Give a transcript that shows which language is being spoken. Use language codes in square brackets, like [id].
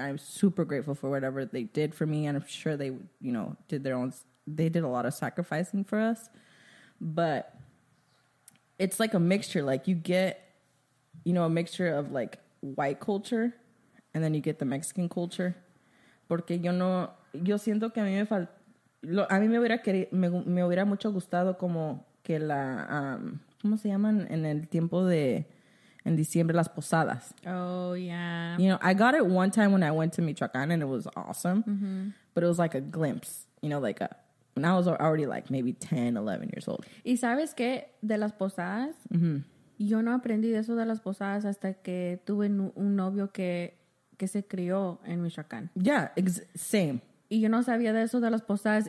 [en] I'm super grateful for whatever they did for me, and I'm sure they, you know, did their own, they did a lot of sacrificing for us, but it's like a mixture. Like you get, you know, a mixture of like white culture and then you get the Mexican culture. [es] Porque yo no, yo siento que a mí me faltó, a mí me hubiera querido, me hubiera mucho gustado como que la, ¿cómo se llaman? En el tiempo de, en diciembre, las posadas. [en] Oh, yeah. You know, I got it one time when I went to Michoacán and it was awesome, mm-hmm. but it was like a glimpse, you know, like a, and I was already like maybe 10, 11 years old. [es] ¿Y sabes qué? De las posadas. Mm-hmm. Yo no aprendí de eso de las posadas hasta que tuve un novio que se crió en Michoacán. [en] Yeah, same. [es] Y yo no sabía de eso de las posadas.